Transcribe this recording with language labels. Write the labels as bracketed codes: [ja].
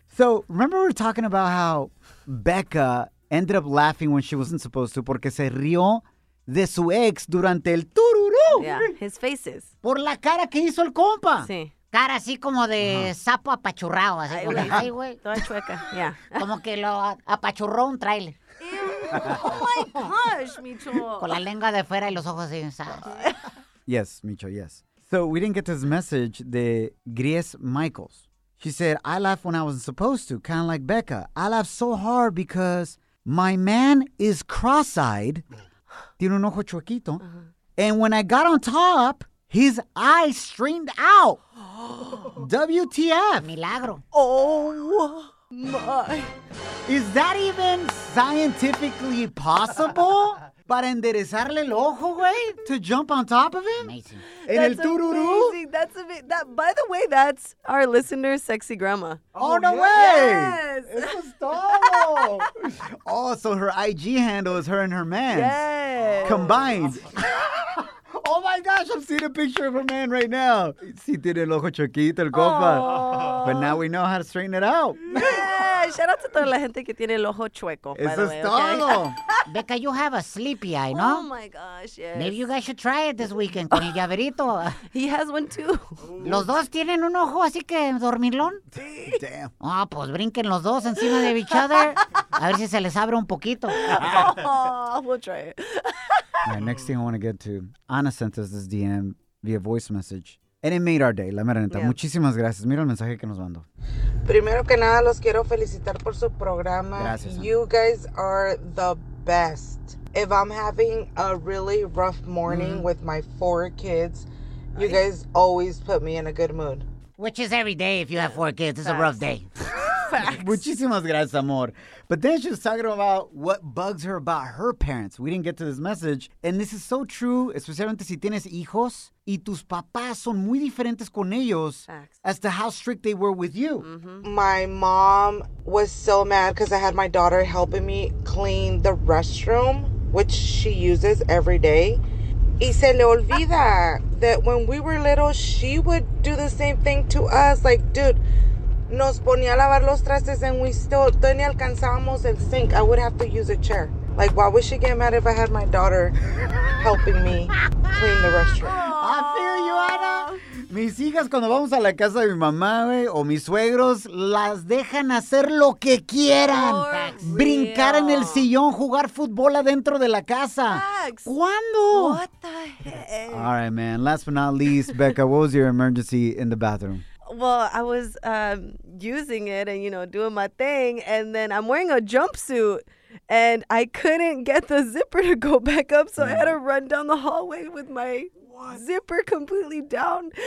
[en] So, remember we were talking about how Becca ended up laughing when she wasn't supposed to [es] porque se rió de su ex durante el tururú. [en] Yeah, his faces. [es] Por la cara que hizo el compa. Sí. Cara así como de sapo apachurrado, así como de, ay, güey. Toda chueca, ya. Yeah. Como que lo apachurró un trailer. [en] Ew, oh my gosh, Micho. [es] Con la lengua de fuera y los ojos así. [en] Yes, Micho, yes. So we didn't get this message de Gries Michaels. She said, I laughed when I wasn't supposed to, kind of like Becca. I laughed so hard because my man is cross-eyed. [es] Tiene un ojo chuequito. [en] And when I got on top, his eye streamed out. WTF. [es] Milagro. [en] Oh, my. Is that even scientifically possible? [es] para enderezarle el ojo, güey. [en] To jump on top of him. Amazing. [es] En el tururú. [en] That's amazing. That, by the way, that's our listener's sexy grandma. Oh, no way. Yes. [es] Eso es todo. [en] Oh, so her IG handle is her and her man. Yes. Combined. Oh, my gosh. I'm seeing a picture of her man right now. [es] Si tiene el ojo chiquito, el copa. [en] But now we know how to straighten it out. Shout out to [es] toda la gente que tiene el ojo chueco. Eso [en] by the way, [es] es todo. [en] Okay? Becca, you have a sleepy eye, oh no? Oh my gosh, yes. Maybe you guys should try it this weekend [es] con el llaverito. [en] He has one too. [es] Los dos tienen un ojo así que dormilón. [en] Damn. [es] Ah, oh, pues brinquen los dos encima de [en] each other. [es] A ver si se les abre un poquito. [en] Oh, we'll try it. All right, next thing I want to get to. Ana sent us this DM via voice message. And it made our day, [es] la mera neta. Yeah. Muchísimas gracias. Mira el mensaje que nos mandó. Primero que nada, los quiero felicitar por su programa. Gracias, Ana. [en] You guys are the best. If I'm having a really rough morning with my four kids, you guys always put me in a good mood. Which is every day if you have four kids. It's facts. A rough day. [es] Muchísimas gracias, amor. [en] But then she was talking about what bugs her about her parents. We didn't get to this message. And this is so true, [es] especialmente si tienes hijos y tus papás son muy diferentes con ellos. [en] Facts. As to how strict they were with you. Mm-hmm. My mom was so mad because I had my daughter helping me clean the restroom, which she uses every day. [es] Y se le olvida [en] that when we were little, she would do the same thing to us. Like, dude, [es] nos ponía a lavar los trastes [en] and we still, [es] ni alcanzamos el sink. [en] I would have to use a chair. Like, why would she get mad if I had my daughter helping me clean the restroom? Aww. I feel you, Ana. [es] Mis hijas, cuando vamos a la casa de mi mamá, güey, o mis suegros, las dejan hacer lo que quieran. [en] Facts. [es] Brincar [en] real. [es] En el sillón, jugar fútbol adentro de la casa. [en] Facts. [es] ¿Cuándo? [en] What the heck? All right, man. Last but not least, Becca, what was your emergency in the bathroom? Well, I was using it and, you know, doing my thing. And then I'm wearing a jumpsuit and I couldn't get the zipper to go back up. So I had to run down the hallway with my zipper completely down.